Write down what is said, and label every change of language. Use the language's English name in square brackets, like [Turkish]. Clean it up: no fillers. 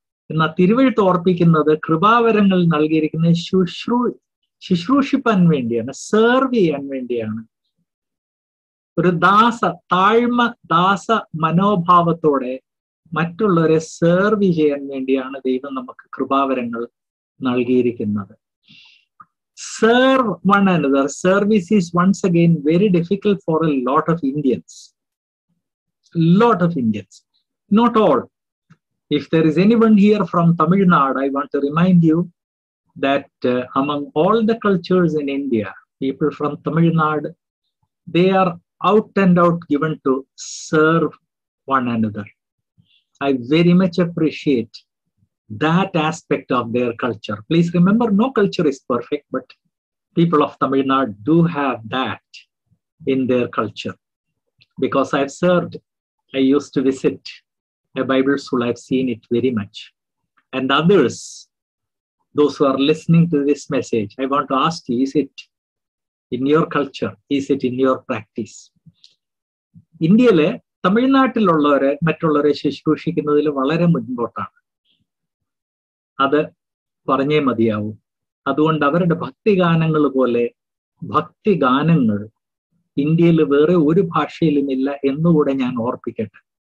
[Malayalam] എന്നാൽ തിരുവെഴുത്ത് ഓർപ്പിക്കുന്നത് കൃപാവരങ്ങൾ നൽകിയിരിക്കുന്ന ശുശ്രൂഷിപ്പാൻ വേണ്ടിയാണ്, സെർവ് ചെയ്യാൻ വേണ്ടിയാണ്. ഒരു ദാസ താഴ്മ ദാസ മനോഭാവത്തോടെ മറ്റുള്ളവരെ സെർവ് ചെയ്യാൻ വേണ്ടിയാണ് ദൈവം നമുക്ക് കൃപാവരങ്ങൾ നൽകിയിരിക്കുന്നത്. [English] Serve one another. Service is once again very difficult for a lot of Indians. Lot of Indians. Not all. If there is anyone here from Tamil Nadu, I want to remind you that among all the cultures in India, people from Tamil Nadu, they are out and out given to serve one another. I very much appreciate that aspect of their culture. Please remember, no culture is perfect, but people of Tamil Nadu do have that in their culture. Because I've served, I used to visit a Bible school, I've seen it very much. And others, those who are listening to this message, I want to ask you, is it in your culture? Is it in your practice? [Malayalam] ഇന്ത്യയിലെ തമിഴ്നാട്ടിലുള്ളവരെ മറ്റുള്ളവരെ ശുശ്രൂഷിക്കുന്നതിൽ വളരെ മുൻപോട്ടാണ്. അത് പറഞ്ഞേ മതിയാവും. അതുകൊണ്ട് അവരുടെ ഭക്തിഗാനങ്ങൾ പോലെ ഭക്തിഗാനങ്ങൾ ഇന്ത്യയിൽ വേറെ ഒരു ഭാഷയിലും ഇല്ല എന്നുകൂടെ ഞാൻ ഓർപ്പിക്കട്ടെ.